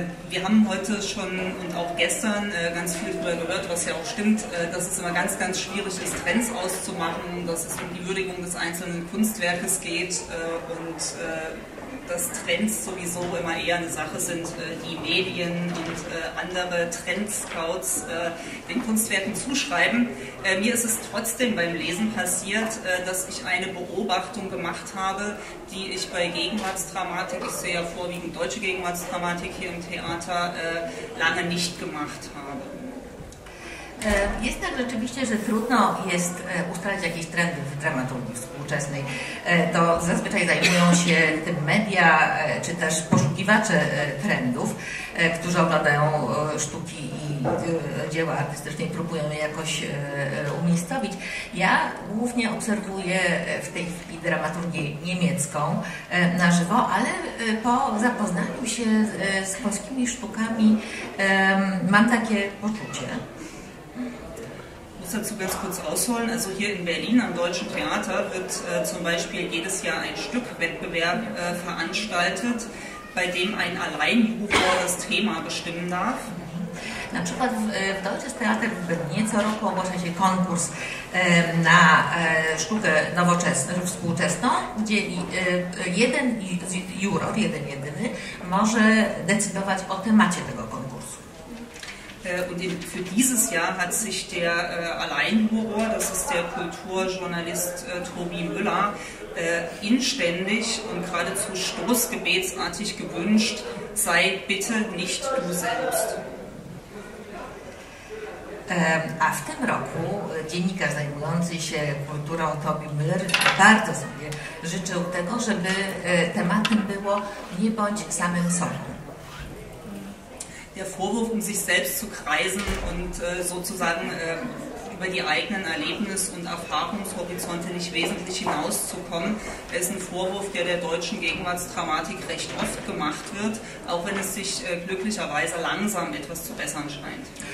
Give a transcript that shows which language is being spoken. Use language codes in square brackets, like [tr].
[de] Wir haben heute schon und auch gestern ganz viel darüber gehört, was ja auch stimmt, dass es immer ganz, ganz schwierig ist, Trends auszumachen, dass es um die Würdigung des einzelnen Kunstwerkes geht und dass Trends sowieso immer eher eine Sache sind, die Medien und andere Trendscouts den Kunstwerken zuschreiben. Mir ist es trotzdem beim Lesen passiert, dass ich eine Beobachtung gemacht habe, die ich bei Gegenwartsdramatik, ich sehe ja vorwiegend deutsche Gegenwartsdramatik hier im Theater, lange nicht gemacht habe. [pl] Jest tak rzeczywiście, że trudno jest ustalać jakieś trendy w dramaturgii współczesnej. To zazwyczaj zajmują się tym media, czy też poszukiwacze trendów, którzy oglądają sztuki i dzieła artystyczne i próbują je jakoś umiejscowić. Ja głównie obserwuję w tej chwili dramaturgię niemiecką na żywo, ale po zapoznaniu się z polskimi sztukami mam takie poczucie. [de] dazu ganz kurz ausholen. Also hier in Berlin am Deutschen Theater wird zum Beispiel jedes Jahr ein Stückwettbewerb veranstaltet, bei dem ein Alleinjuror das Thema bestimmen darf. [pl] Na przykład w Deutsches Theater w Berlinie co roku ogłasza się konkurs na sztukę nowoczesną, współczesną, gdzie jeden juror, jeden jedyny, może decydować o temacie tego konkursu. [de] Und für dieses Jahr hat sich der Alleinjuror, das ist der Kulturjournalist Tobi Müller, inständig und geradezu stoßgebetsartig gewünscht, sei bitte nicht du selbst. [pl] A w tym roku dziennikarz zajmujący się kulturą Tobi Müller bardzo sobie życzył tego, żeby tematem było nie bądź samym sobą. [de] Der Vorwurf, um sich selbst zu kreisen und sozusagen über die eigenen Erlebnis- und Erfahrungshorizonte nicht wesentlich hinauszukommen, ist ein Vorwurf, der der deutschen Gegenwartsdramatik recht oft gemacht wird, auch wenn es sich glücklicherweise langsam etwas zu bessern scheint.